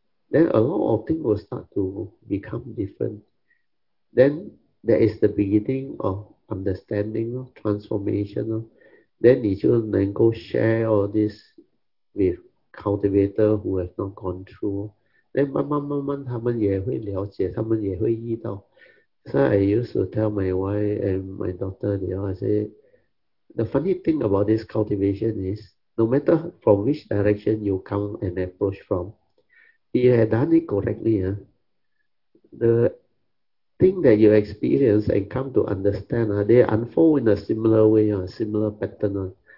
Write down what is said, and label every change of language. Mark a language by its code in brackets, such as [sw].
[en] Then a lot of things will start to become different. Then there is the beginning of understanding, transformation. Then [zh] 你就能够 [en] share all this with cultivator who have not gone through. Then [zh] 慢慢慢慢 他们也会了解, 他们也会遇到. [en] So I used to tell my wife and my daughter, you know, I say, the funny thing about this cultivation is, no matter from which direction you come and approach from, if you have done it correctly, the thing that you experience and come to understand, they unfold in a similar way, a similar pattern.